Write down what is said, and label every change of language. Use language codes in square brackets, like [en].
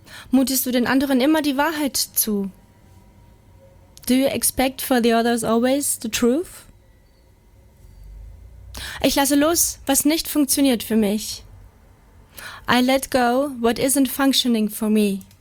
[de] Mutest du den anderen immer die Wahrheit zu? [en] Do you expect for the others always the truth? [de] Ich lasse los, was nicht funktioniert für mich. [en] I let go what isn't functioning for me.